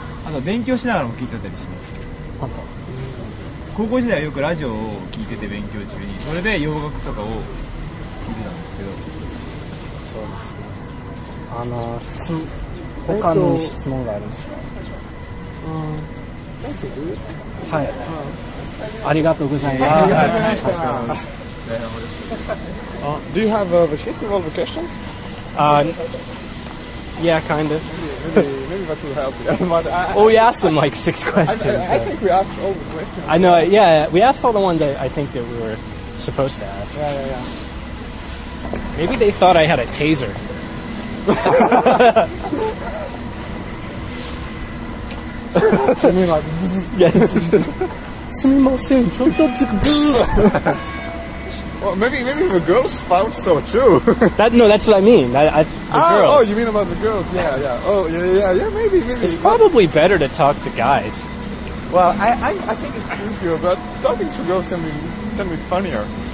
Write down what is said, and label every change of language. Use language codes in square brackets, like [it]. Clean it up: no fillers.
[ja] あと勉強しながらも聞いてたりします。高校時代はよくラジオを聞いてて、勉強中にそれで洋楽とかを聞いてたんですけど。そうですね。他の質問があるんですか？はい、ありがとうございます。ありがとうございました。 [en] Do you have a festival vacations? Yeah, kind of. Maybe that will help you. Well, we asked them like 6 questions. I think we asked all the questions. I know, yeah. We asked all the ones that I think that we were supposed to ask. Yeah. Maybe they thought I had a taser. [ja] すみません、ブスッ、すみません、ちょっとずつブスッ。 [en] Well, maybe the girls found so too. That, no, that's what I mean. The girls. Oh, you mean about the girls? Yeah. Oh, yeah. Maybe. It's probably better to talk to guys. Well, I think it's easier, but talking to girls can be funnier.